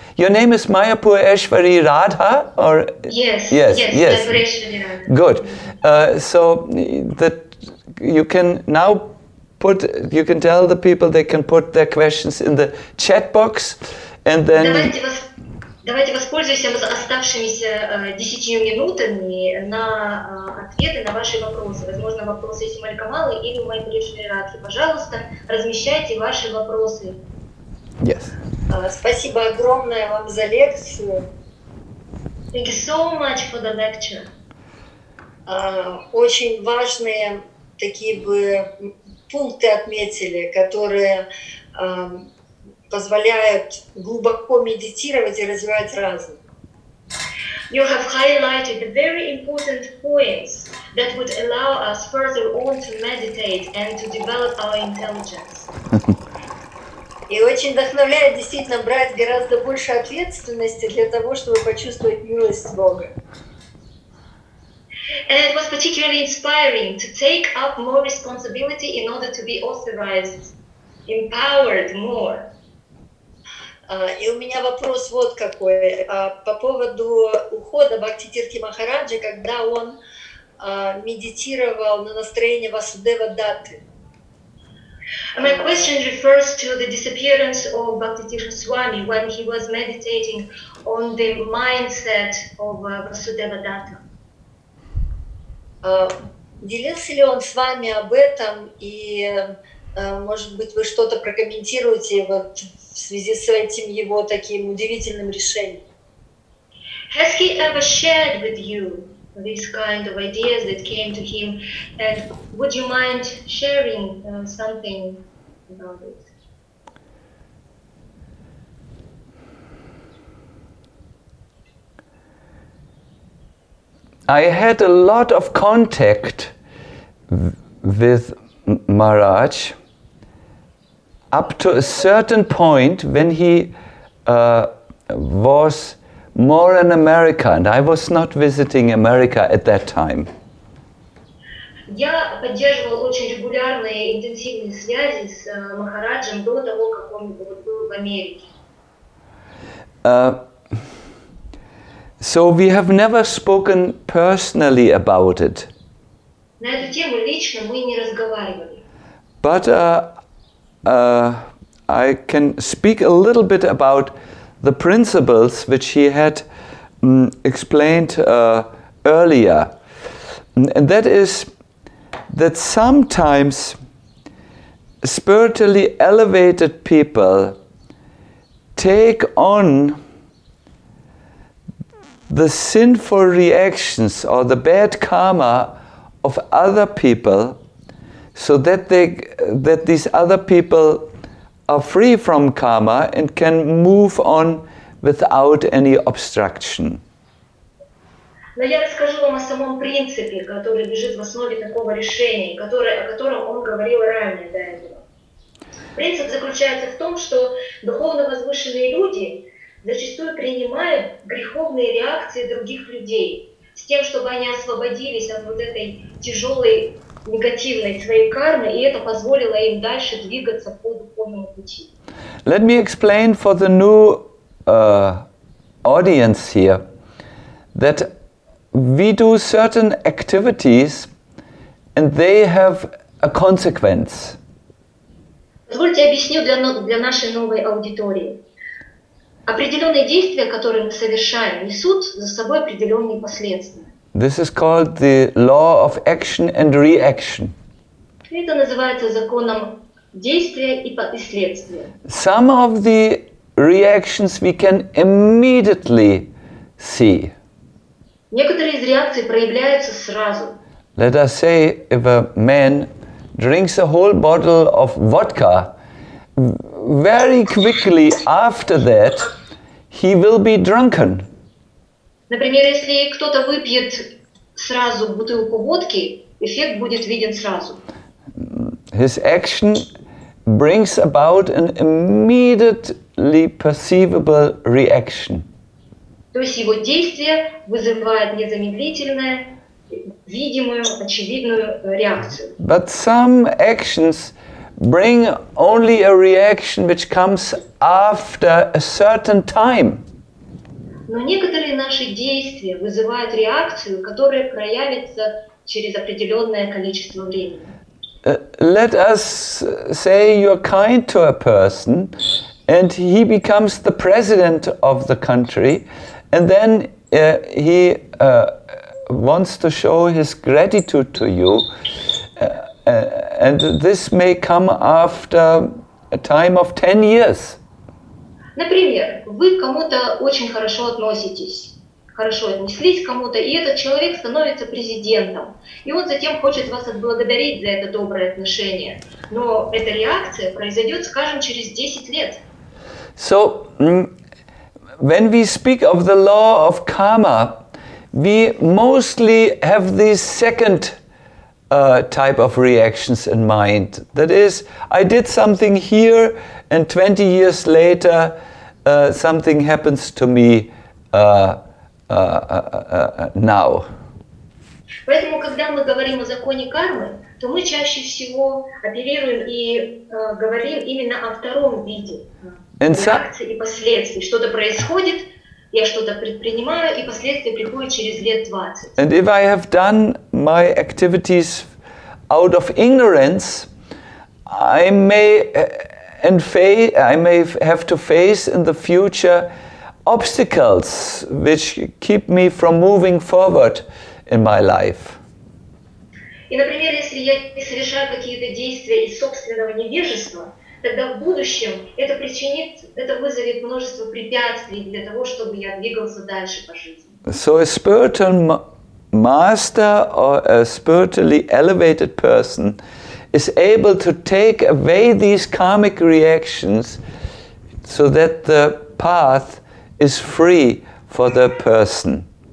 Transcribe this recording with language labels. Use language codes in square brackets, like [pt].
[en] Your name is Mayapur Eshwari Radha, or yes. Radha. Good. So that you can now put, you can tell the people they can put their questions in the chat box, and then. [ru] Давайте воспользуемся оставшимися 10 минутами на ответы на ваши вопросы. Возможно, вопросы есть у Малика Малы или у Майи Пурешвари Радхи. Пожалуйста, размещайте ваши вопросы. [en] Yes. [ru] Спасибо огромное вам за лекцию. [en] Thank you so much for the lecture. [ru] Очень важные такие бы пункты отметили, которые... позволяет глубоко медитировать и развивать разум. [en] You have highlighted the very important points that would allow us further on to meditate and to develop our intelligence. [ru] И очень вдохновляет действительно брать гораздо больше ответственности для того, чтобы почувствовать милость Бога. [en] And it was particularly inspiring to take up more responsibility in order to be authorized, empowered more. [ru] И у меня вопрос вот какой. По поводу ухода Бхакти Тирти Махараджи, когда он медитировал на настроение Васудева Даты. [en] My question refers to the disappearance of Bhakti Tirti Swami when he was meditating on the mindset of Vasudeva Datta. [ru] Делился ли он с вами об этом, и может быть, вы что-то прокомментируете вот в связи с этим его таким удивительным решением. [en] Has he ever shared with you these kind of ideas that came to him? And would you mind sharing something about it? I had a lot of contact with Maharaj up to a certain point when he was more in America, and I was not visiting America at that time. [ru] Я поддерживал очень регулярные интенсивные связи с Махараджем до того, как он был в Америке. [en] So we have never spoken personally about it. [ru] На эту тему лично мы не разговаривали. [en] But I can speak a little bit about the principles which he had explained earlier. And that is that sometimes spiritually elevated people take on the sinful reactions or the bad karma of other people so that these other people are free from karma and can move on without any obstruction. [ru] Но я расскажу вам о самом принципе, который лежит в основе такого решения, который, о котором он говорил ранее до этого. Принцип заключается в том, что духовно возвышенные люди зачастую принимают греховные реакции других людей с тем, чтобы они освободились от вот этой тяжелой негативной своей кармы, и это позволило им дальше двигаться по духовному пути. [en] Let me explain for the new audience here that we do certain activities and they have a consequence. [ru] Позвольте объясню для нашей новой аудитории. Определенные действия, которые мы совершаем, несут за собой определенные последствия. [en] This is called the law of action and reaction. [ru] Это называется законом действия и следствия. [en] Some of the reactions we can immediately see. [ru] Некоторые из реакций проявляются сразу. [en] Let us say, if a man drinks a whole bottle of vodka, very quickly after that, he will be drunken. [ru] Например, если кто-то выпьет сразу бутылку водки, эффект будет виден сразу. [en] His action brings about an immediately perceivable reaction. [ru] То есть его действие вызывает незамедлительную, видимую, очевидную реакцию. [en] But some actions bring only a reaction which comes after a certain time. [ru] Но некоторые наши действия вызывают реакцию, которая проявится через определенное количество времени. [en] Let us say you're kind to a person and he becomes the president of the country. And then he wants to show his gratitude to you, and this may come after a time of 10 years. [ru] Например, вы к кому-то очень хорошо относитесь, хорошо отнеслись к кому-то, и этот человек становится президентом, и он затем хочет вас отблагодарить за это доброе отношение. Но эта реакция произойдет, скажем, через 10 лет. [en] So, when we speak of the law of karma, we mostly have this second type of reactions in mind. That is, I did something here, and 20 years later, something happens to me now. [ru] Поэтому, когда мы говорим о законе кармы, то мы чаще всего оперируем и говорим именно о втором виде. Реакции и последствия. Что-то происходит, я что-то предпринимаю, и последствия приходят через лет 20. [en] And if I have done my activities out of ignorance, I may have to face in the future obstacles which keep me from moving forward in my life. [ru] И, например, если я совершаю какие-то действия из собственного невежества, тогда в будущем это причинит, это вызовет множество препятствий для того, чтобы я двигался дальше по жизни. [en] So a spiritual master or a spiritually elevated person is able to take away these karmic reactions so that the path is free for the person.